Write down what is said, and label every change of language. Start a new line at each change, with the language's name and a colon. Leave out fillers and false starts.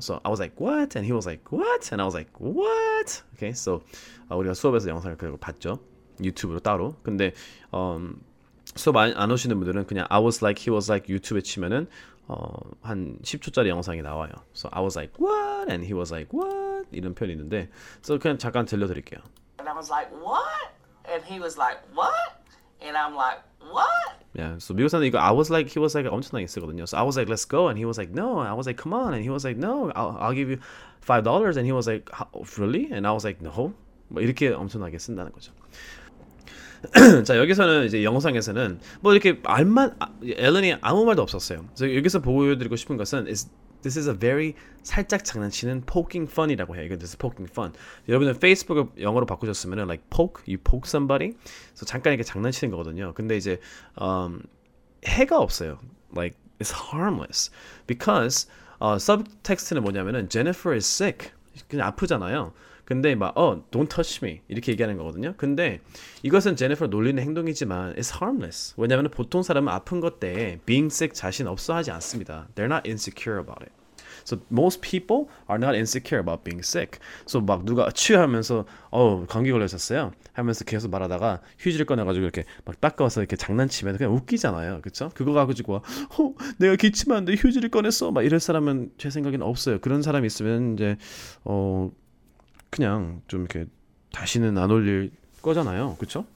English: So I was like what and he was like what and I was like what. Okay.
Korean: So 우리가 수업에서 영상을 그걸 봤죠. 유튜브로 따로. 근데 수업 안 오시는 분들은 그냥
English: I was like he was like
Korean: 유튜브에 치면은 한 10초짜리 영상이 나와요.
English: So I was like what and he was like what
Korean: 이런 표현이 있는데 so 그냥 잠깐 들려드릴게요.
English: And I was like what and he was like what and I'm like what. Yeah. So
Korean: 미국 사람들 이거
English: I was like he was like
Korean: 엄청나게 쓰거든요.
English: So I was like let's go and he was like no. I was like come on and he was like no. I'll give you $5 and he was like really and I was like no.
Korean: 뭐 이렇게 엄청나게 쓴다는 거죠. 자 여기서는 이제 영상에서는 뭐 이렇게 알만 엘런이 아무 말도 없었어요.
English: 그래서 여기서 보여드리고 싶은 것은 this is a very
Korean: 살짝 장난치는
English: poking fun이라고 해요. 이거 this is poking fun. 여러분은 페이스북을 영어로 바꾸셨으면은 like poke you poke somebody.
Korean: 그래서 잠깐 이렇게 장난치는 거거든요. 근데 이제 해가 없어요.
English: Like it's harmless because subtext는
Korean: 뭐냐면은
English: Jennifer is sick.
Korean: 그냥 아프잖아요. 근데 막
English: don't touch me
Korean: 이렇게 얘기하는 거거든요. 근데 이것은 제니퍼를 놀리는 행동이지만
English: it's harmless.
Korean: 왜냐하면 보통 사람은 아픈 것 때
English: being sick
Korean: 자신 없어하지 않습니다.
English: They're not insecure about it. So most people are not insecure about being sick.
Korean: So 막 누가 취하면서 감기 걸렸었어요 하면서 계속 말하다가 휴지를 꺼내가지고 이렇게 막 닦아서 이렇게 장난치면 그냥 웃기잖아요. 그쵸? 그거 가지고 내가 기침하는데 휴지를 꺼냈어 막 이럴 사람은 제 생각에는 없어요. 그런 사람이 있으면 이제 그냥 좀 이렇게 다시는 안 올릴 거잖아요. 그쵸?